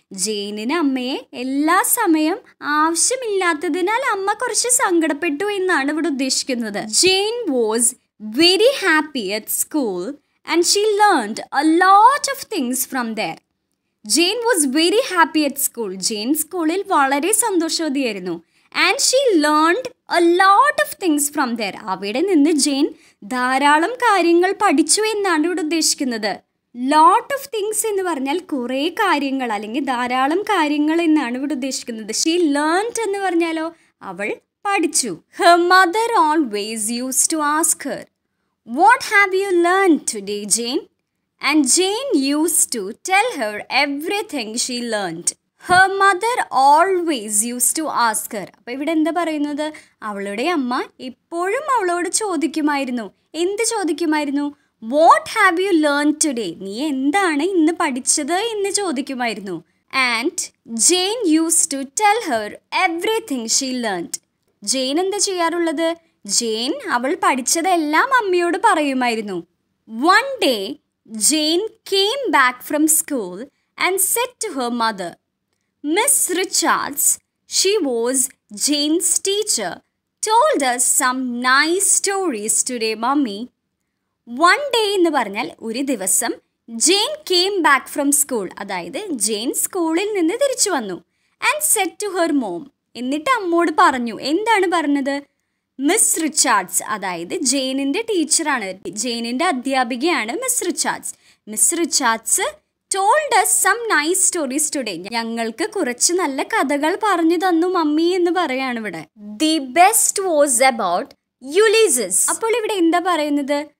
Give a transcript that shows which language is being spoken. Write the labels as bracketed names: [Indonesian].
[Malayalam] ജെയിനിന് അമ്മയെ എല്ലാ സമയം ആവശ്യമില്ലാത്തതിനാൽ അമ്മ കുറച്ച് സങ്കടപ്പെട്ടു എന്നാണ് ഇവിടെ ഉദ്ദേശിക്കുന്നത്. [English] Jane was very happy at school and she learned a lot of things from there. Jane was very happy at school, [Malayalam] Jain സ്കൂളിൽ വളരെ സന്തോഷവതിയായിരുന്നു. [English] And she learned a lot of things from there. [Malayalam] അവിടെ നിന്ന് ജെയിൻ ധാരാളം കാര്യങ്ങൾ പഠിച്ചു എന്നാണ് ഇവിടെ ഉദ്ദേശിക്കുന്നത്. [English] lot of things [Malayalam] എന്ന് പറഞ്ഞാൽ കുറേ കാര്യങ്ങൾ അല്ലെങ്കിൽ ധാരാളം കാര്യങ്ങൾ എന്നാണ് ഇവിടെ ഉദ്ദേശിക്കുന്നത്. [English] she learned [Malayalam] എന്ന് പറഞ്ഞാലോ അവൾ പഠിച്ചു. [English] Her mother always use to ask her, what have you learn today Jane? And Jane use to tell her everything she learned. Her mother always use to ask her. [Malayalam] അപ്പോൾ ഇവിടെ എന്താ പറയുന്നത്? അവളുടെ അമ്മ ഇപ്പോഴും അവളോട് ചോദിക്കുമായിരുന്നു. എന്ത് ചോദിക്കുമായിരുന്നു? [English] what have you learn today, [Malayalam] നീ എന്താണ് ഇന്ന് പഠിച്ചത് എന്ന് ചോദിക്കുമായിരുന്നു. [English] And Jane use to tell her everything she learned. [Malayalam] Jain എന്താ ചെയ്യാറുള്ളത്? ജെയിൻ അവൾ പഠിച്ചതെല്ലാം അമ്മയോട് പറയുമായിരുന്നു. [English] One day Jane came back from school and said to her mother, Miss Richards, she was Jane's teacher, told us some nice stories today, mommy. One day [Malayalam] ennu parnal oru divasam Jane [English] came back from school, [Malayalam] adayide Jane schoolil ninnu thirichu vannu. [English] And said to her mom, [Malayalam] ennittu ammode parnju endanu parnathu? Miss Richards, അതായത് ജെയിനിൻ്റെ ടീച്ചറാണ്, ജെയിനിൻ്റെ അധ്യാപികയാണ് miss Richards. [English] Miss Richards told us some nice stories today, [Malayalam] ഞങ്ങൾക്ക് കുറച്ച് നല്ല കഥകൾ പറഞ്ഞു തന്നു mummy എന്ന് പറയാണ് ഇവിടെ. [English] The best was about Ulysses. [Malayalam] അപ്പോൾ ഇവിടെ എന്താ പറയുന്നത്?